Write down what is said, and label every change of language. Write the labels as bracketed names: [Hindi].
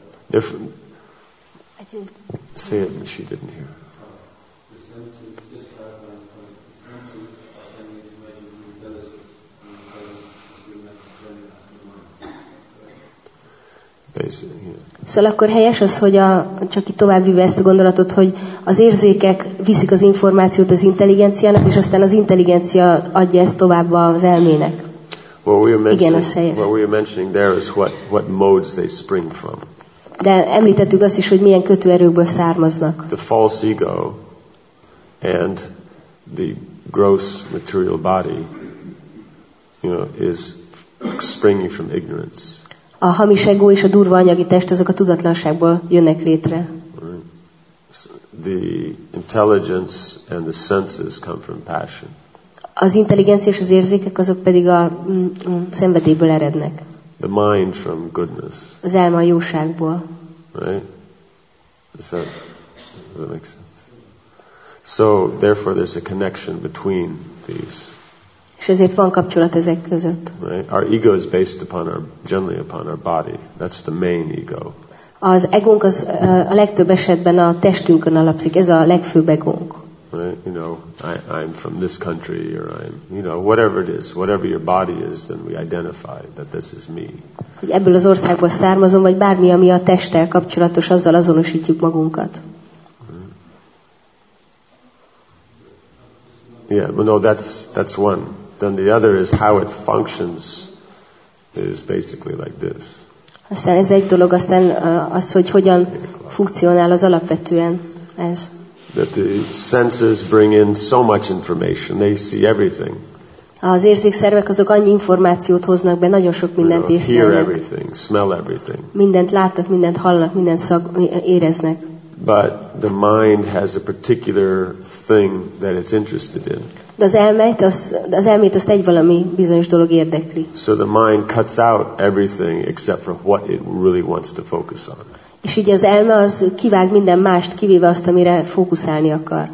[English] If, I think, say it, but she didn't hear. The senses, just to add one point, the senses are sending the measure of intelligence, and the intelligence is going to send it after the mind. Basically, yeah. [Hungarian] Szóval akkor helyes az, hogy csak itt tovább vívve ezt a gondolatot, hogy az érzékek viszik az információt az intelligenciának, és aztán az intelligencia adja ezt tovább az elmének. Igen, az helyes. [English] What we are mentioning there is what modes they spring from. [Hungarian] De említettük azt is, hogy milyen kötőerőkből származnak. [English] The false ego and the gross material body, you know, is springing from ignorance. [Hungarian] A hamis ego és a durva anyagi test, azok a tudatlanságból jönnek létre. [English] The intelligence and the senses come from passion. [Hungarian] Az intelligencia és az érzékek, azok pedig a szenvedélyből erednek. [English] The mind from goodness. [Hungarian] Az elme a jóságból. [English] Right? Does that make sense? So, therefore, there's a connection between these. [Hungarian] És ezért van kapcsolat ezek között. [English] Right? Our ego is based upon generally upon our body. That's the main ego. [Hungarian] Az egónk az a legtöbb esetben a testünkön alapszik. Ez a legfőbb egónk. [English] Right? You know, I'm from this country, or I'm, you know, whatever it is, whatever your body is, then we identify that this is me. [Hungarian] Hogy ebből az országból származom, vagy bármi, ami a testtel kapcsolatos, azzal azonosítjuk magunkat. [English] Yeah, but no, that's one. Then the other is how it functions is basically like this. [Hungarian] Aztán ez egy dolog, aztán az, hogy hogyan funkcionál az alapvetően ez. [English] That the senses bring in so much information, they see everything. [Hungarian] Az érzékszervek azok annyi információt hoznak be, nagyon sok mindent észlelnek. [English] You know, hear everything, smell everything. [Hungarian] Mindent látnak, mindent hallnak, mindent éreznek. [English] But the mind has a particular thing that it's interested in. [Hungarian] De az elmét azt egy valami bizonyos dolog érdekli. [English] So the mind cuts out everything except for what it really wants to focus on. [Hungarian] És így az elme az kivág minden mást, kivéve azt, amire fókuszálni akar.